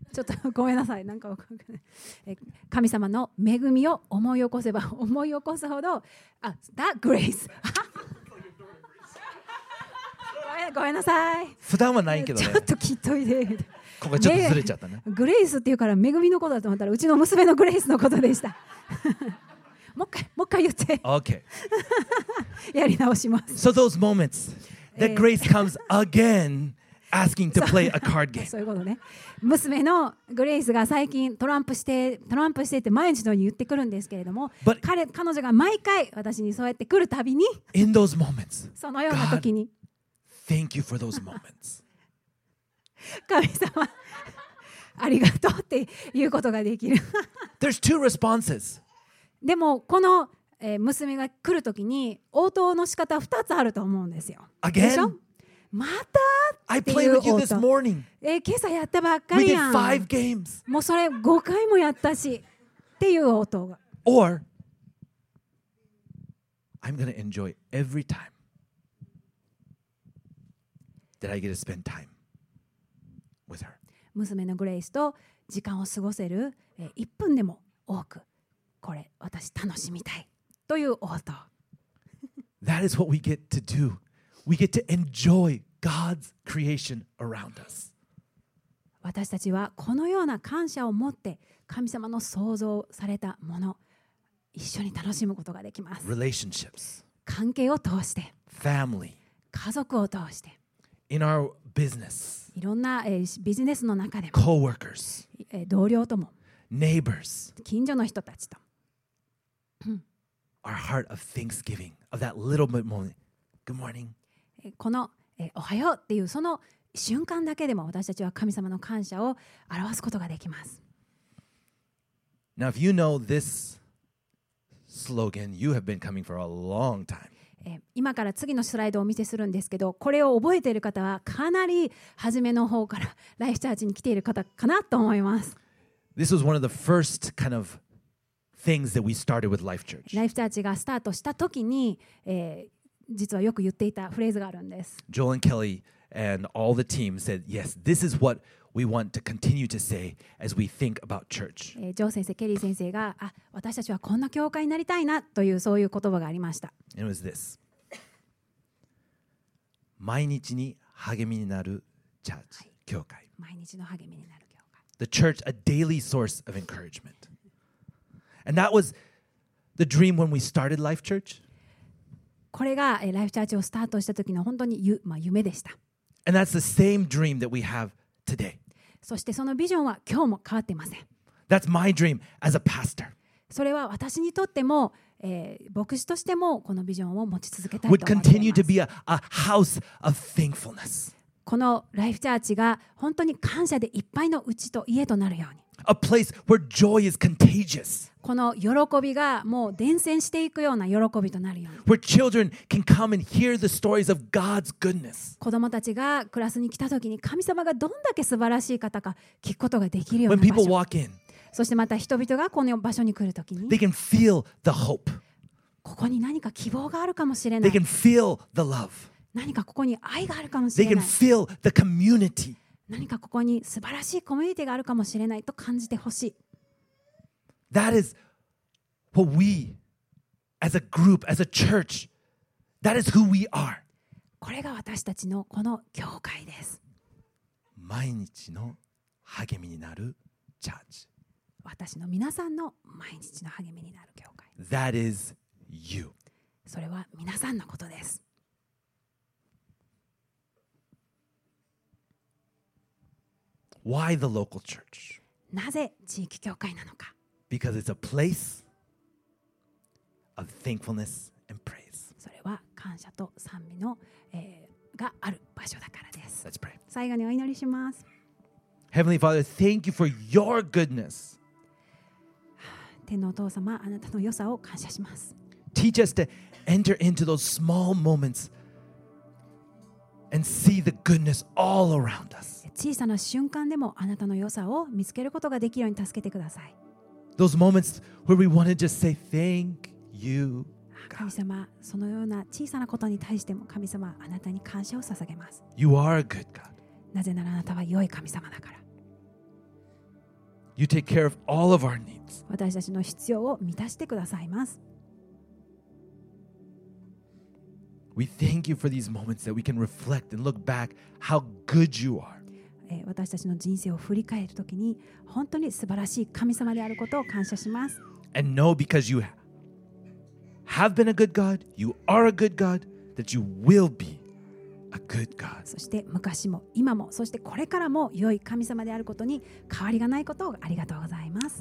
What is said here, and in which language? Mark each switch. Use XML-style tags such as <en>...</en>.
<ja>ちょっとごめんなさい、なんかわかんない。神様の恵みを思い起こせば思い起こすほど、あ、</ja> <en>That grace。</en> <ja>ごめんなさい。普段はないけどね。ちょっと聞いといて。ここちょっとずれちゃったね。グレイスっていうから恵みのことだと思ったら、うちの娘のグレイスのことでした。もう一回言って。</ja> <en>Okay.</en> <ja>やり直します。</ja> <en>So those moments that grace comes again asking to play a card game.</en> <ja>そういうことね。娘のグレイスが最近トランプしてって毎日のように言ってくるんですけれども、</ja> <en>But、</en> <ja>彼女が毎回私にそうやって来るたびに、</ja> <en>In those moments,</en> <ja>そのような時に、</ja> <en>God, thank you for those moments.</en> <ja>神様、ありがとうっていうことができる。</ja> <en>There's two responses.</en> <ja>でもこの娘が来るときに応答の仕方は2つあると思うんですよ。</ja> <en>Again?</en> <ja>でしょ？またっていう応答。</ja> <en>I played with you this morning.</en> <ja>今朝やったばっかりやん。</ja> <en>We did five games.</en> <ja>もうそれ5回もやったしっていう応答が。</ja> <en>Or I'm gonna enjoy every time that I get to spend time with her.</en> <ja>娘のグレイスと時間を過ごせる1分でも多く、これ私楽しみたい。という応答。</ja> <en>That is what we get to do. We get to enjoy God's creation around us.</en> <ja>私たちはこのような感謝を持って神様の創造されたもの一緒に楽しむことができます。</ja> <en>Relationships.</en> <ja>関係を通して。</ja> <en>Family.</en> <ja>家族を通して。</ja> <en>In our business.</en> <ja>いろんなビジネスの中でも。</ja> <en>Co-workers.</en> <ja>同僚とも。</ja> <en>Neighbors.</en> <ja>近所の人たちと。</ja> <en>Our heart of thanksgiving of that little bit moment. Good morning.</en> <ja>このおはようっていうその瞬間だけでも私たちは神様の感謝を表すことができます。</ja> <en>Now, if you know this slogan, you have been coming for a long time.</en> <ja>今から次のスライドをお見せするんですけど、これを覚えている方はかなり初めの方からライフチャージに来ている方かなと思います。</ja> <en>This was one of the first kind of. Things that we started with Life Church.</en> <ja>Life Church がスタートした時に、実はよく言っていたフレーズがあるんです。</ja> <en>Joel and Kelly and all the team said, "Yes, this is what we want to continue to say as we think about church."</en> <ja>ジョー先生、ケリー先生が、あ、私たちはこんな教会になりたいなというそういう言葉がありました。</ja> <en>It was this.</en> <ja>毎日に励みになるチャーチ、はい、教会。毎日の励みになる教会。</ja> <en>The church, a daily source of encouragement. And that was the dream when we started Life Church.</en> <ja>これが Life Church をスタートした時の本当に夢でした。</ja> <en>And that's the same dream that we have today.</en> <ja>そしてそのビジョンは今日も変わっていません。</ja> <en>That's my dream as a pastor.</en> <ja>それは私にとっても、牧師としてもこのビジョンを持ち続けたいと思います。</ja> <en>Would continue to be a house of thankfulness.</en> <ja>この Life Church が本当に感謝でいっぱいのうちと家となるように。</ja> <en>A place where joy is contagious.</en> <ja>この喜びがもう伝染していくような喜びとなるように。</ja> <en>Where children can come and hear the stories of God's goodness.</en> <ja>子供たちがクラスに来た時に神様がどんだけ素晴らしい方か聞くことができるような場所。</ja> <en>When people walk in,</en> <ja>そしてまた人々がこの場所に来る時に、</ja> <en>they can feel the hope.</en> <ja>ここに何か希望があるかもしれない。</ja> <en>They can feel the love.</en> <ja>何かここに愛があるかもしれない。</ja> <en>They can feel the community.</en> <ja>何かここに素晴らしいコミュニティがあるかもしれないと感じてほしい。</ja> <en>That is what we, as a group, as a church, that is who we are.</en> <ja>これが私たちのこの教会です。毎日の励みになるチャーチ。私の皆さんの毎日の励みになる教会。</ja> <en>That is you.</en> <ja>それは皆さんのことです。</ja> <en>Why the local church?</en> <ja>なぜ地域教会なのか?</ja> <en>Because it's a place of thankfulness and praise.</en> <ja>それは感謝と賛美の、がある場所だからです。</ja> <en>Let's pray.</en> <ja>最後にお祈りします。</ja> <en>Heavenly Father, thank you for your goodness.</en> <ja>天のお父様、あなたの良さを感謝します。</ja> <en>Teach us to enter into those small moments and see the goodness all around us.</en> <ja>小さな瞬間でもあなたの良さを見つけることができるように助けてください。</ja> <en>Those moments where we want to just say thank you, God.</en> <ja>神様、そのような小さなことに対しても神様、あなたに感謝を捧げます。</ja> <en>You are a good God.</en> <ja>なぜならあなたは良い神様だから。</ja> <en>You take care of all of our needs.</en> <ja>私たちの必要を満たしてくださいます。</ja> <en>We thank you for these moments that we can reflect and look back how good you are.</en> <ja>私たちの人生を振り返るときに本当に素晴らしい神様であることを感謝します。</ja> <en>And know because you have been a good God, you are a good God, that you will be a good God.</en> <ja>そして昔も今もそしてこれからも良い神様であることに変わりがないことをありがとうございます。</ja>